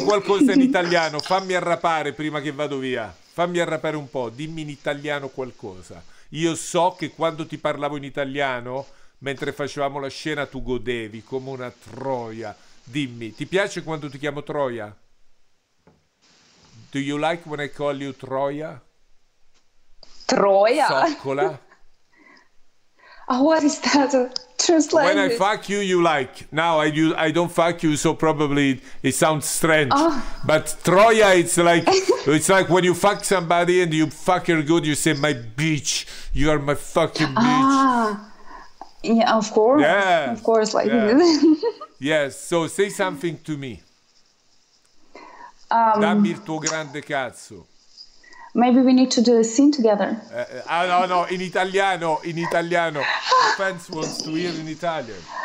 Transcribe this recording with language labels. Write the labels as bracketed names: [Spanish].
[Italian] qualcosa in italiano, fammi arrapare prima che vado via. Fammi arrapare un po', dimmi in italiano qualcosa. Io so che quando ti parlavo in italiano, mentre facevamo la scena, tu godevi come una troia. Dimmi, ti piace quando ti chiamo Troia? [English] Do you like when I call you Troia? [Italian] Troia? Soccola? [English] Oh, what is that? Translated. When I fuck you, you like. Now I don't fuck you, so probably it sounds strange. Oh. But Troia, it's like it's like when you fuck somebody and you fuck her good, you say, my bitch, you are my fucking bitch. Ah. Yeah, of course. Yeah. Of course. Like. Yeah. Yes, so say something to me. [Italian] Dammi il tuo grande cazzo. [English] Maybe we need to do a scene together. [Italian] No, in italiano. [English] The fans wants to hear in Italian.